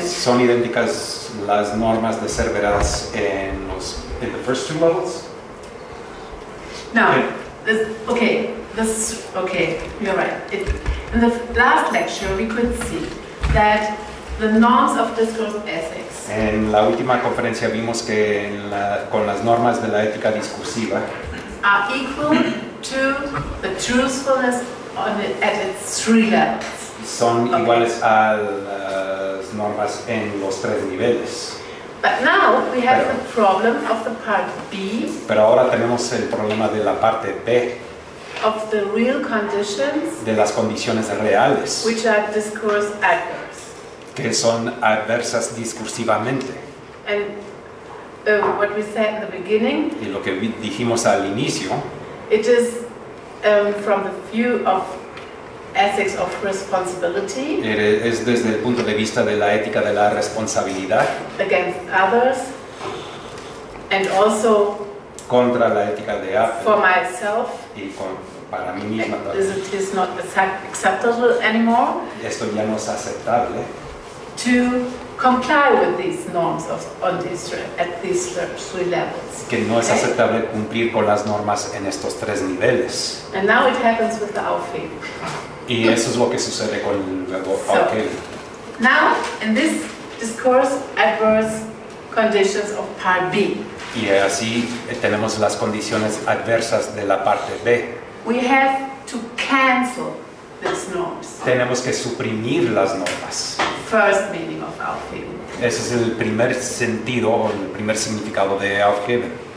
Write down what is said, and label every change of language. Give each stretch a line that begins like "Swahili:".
Spanish: son idénticas las normas de ser veraz en los
English: in the first two levels. Now, okay, you're right. In the last lecture, we could see that the norms of discourse ethics.
Spanish: En la última conferencia vimos que con las normas de la ética discursiva.
English: Are equal to the truthfulness at its three levels.
Spanish: Son iguales a las normas en los tres niveles.
English: But now we have the problem of the part B.
Spanish: Pero ahora tenemos el problema de la parte B.
English: Of the real conditions,
Spanish: de las condiciones reales,
English: which are discourse adverse,
Spanish: que son adversas discursivamente.
English: And what we said in the beginning,
Spanish: y lo que dijimos al inicio,
English: it is from the view of ethics of responsibility,
Spanish: es desde el punto de vista de la ética de la responsabilidad,
English: against others, and also
Spanish: contra la ética de A,
English: for myself,
Spanish: y para mí misma también.
English: It is not acceptable anymore.
Spanish: Esto ya no es aceptable.
English: To comply with these norms of on this at these three levels.
Spanish: Que no es aceptable cumplir con las normas en estos tres niveles.
English: And now it happens with the Aufheben.
Spanish: Y eso es lo que sucede con el Aufheben.
English: Now in this discourse adverse conditions of part B.
Spanish: Y así tenemos las condiciones adversas de la parte B.
English: We have to cancel these norms.
Spanish: Tenemos que suprimir las normas.
English: First meaning of Aufheben.
Spanish: Ese es el primer sentido o el primer significado de Aufheben.